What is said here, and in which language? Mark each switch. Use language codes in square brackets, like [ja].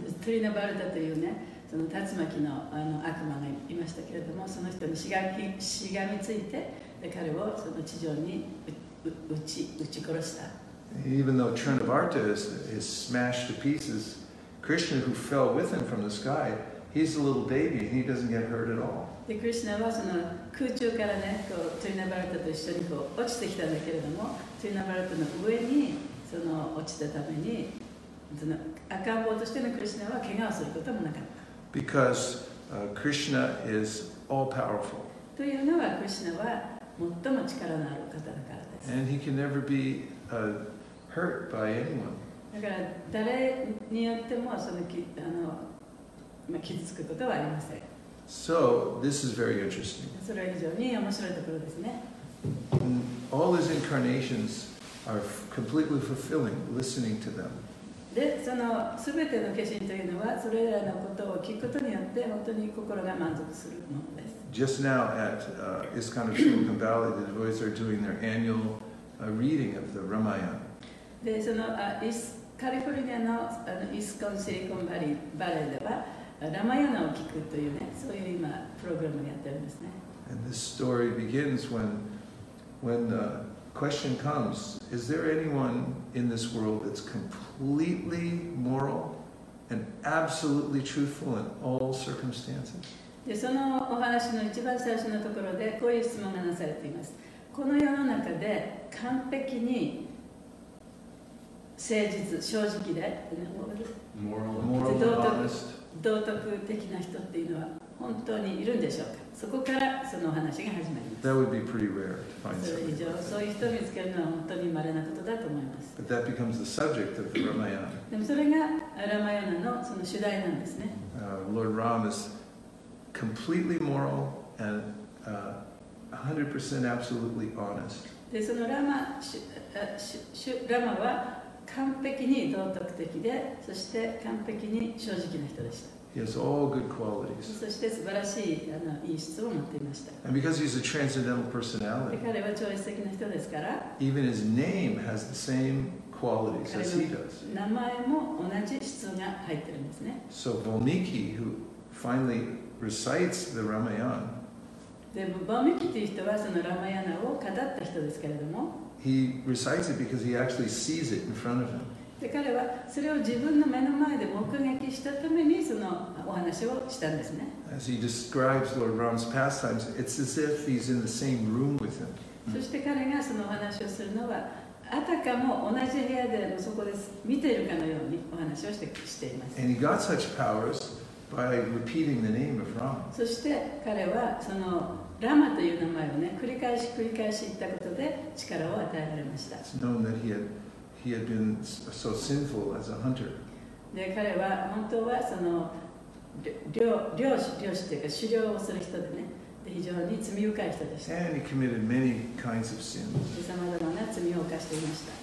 [ja] トリナバルタというね、その竜巻の、あの悪魔がいましたけれども、その人にしがみついて、で彼をその地上に打ち殺した。 [en] Even though Trinavarta is smashed to pieces, Krishna, who fell with him from the sky, he He's a little baby and he doesn't get hurt at all. [ja] で、クリシュナはその空中からね、こうトリナバルタと一緒にこう落ちてきたんだけれども、トリナバルタの上にその落ちたためにその赤ん坊としてのクリシュナは怪我をすることもなかった。 [en] Because Krishna is all powerful. [ja] というのはクリシュナは最も力のある方だからです。 [en] And he can never be hurt by anyone. [ja] だから誰によってもその傷つくことはありません。 [en] So, this is very interesting. [ja] それは非常に面白いところですね。 [en] All his incarnations are completely fulfilling, listening to them. [ja] で、その全ての化身というのは、それらのことを聞くことによって、本当に心が満足するものです。 [en] Just now at ISKCON of Shrinkham Valley, the devotees are doing their annual reading of the Ramayana. [ja] で、そのカリフォルニアのISKCON シリコンバレーでは、ラマヤナを聞くというね、そういう今プログラムをやってるんですね。 [en] And this story begins when the question comes, is there anyone in this world that's completely moral and absolutely truthful in all circumstances? [ja] で、そのお話の一番最初のところでこういう質問がなされています。この世の中で完璧に誠実、正直で、 [en] moral and honest。 [ja] 道徳的な人っていうのは本当にいるんでしょうか。そこからそのお話が始まります。 [en] That would be pretty rare to find something like that. [ja] そういう人を見つけるのは本当に稀なことだと思います。 [en] But that becomes the subject of the Ramayana. [ja] でもそれがラマヤナのその主題なんですね。 [en] Lord Ram is completely moral and 100% absolutely honest. [ja] で、そのラマは完璧に道徳的で、そして完璧に正直な人でした。 [en] He has all good qualities. [ja] そして素晴らしい良い質を持っていました。 [en] And because he's a transcendental personality, [ja] 彼は超越的な人ですから、 [en] even his name has the same qualities as he does. [ja] 名前も同じ質が入ってるんですね。 [en] So Valmiki, who finally recites the Ramayana, [ja] でも Valmiki という人はそのラマヤナを語った人ですけれども、 [en] He recites it because he actually sees it in front of him. [ja] で、彼はそれを自分の目の前で目撃したためにそのお話をしたんですね。 [en] As he describes Lord Ram's pastimes, it's as if he's in the same room with him. [ja] そして彼がそのお話をするのは、あたかも同じ部屋でそこで見ているかのようにお話をしています。 [en] And he got such powers by repeating the name of Ram. [ja] そして彼はそのラマという名前をね、繰り返し繰り返し言ったことで力を与えられました。 [en] It's known that he had been so sinful as a hunter. [ja] で、彼は本当はその漁師というか狩猟をする人でね、で、非常に罪深い人でした。 [en] And he committed many kinds of sins. [ja] で、さまざまな罪を犯していました。